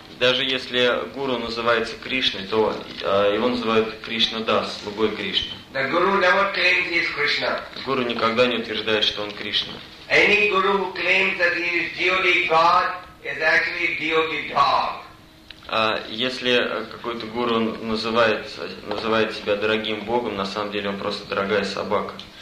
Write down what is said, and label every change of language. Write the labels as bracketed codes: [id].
[ru] Даже если гуру называется Кришной, то его называют Кришна Дас, слугой Кришны. [en] The Guru never claims he is Krishna. [ru] Guru никогда не утверждает, что он Кришна. [en] Any Guru who claims that he is deity God is actually deity dog. [ru] Если какой-то гуру называет себя дорогим богом, на самом деле он просто дорогая собака.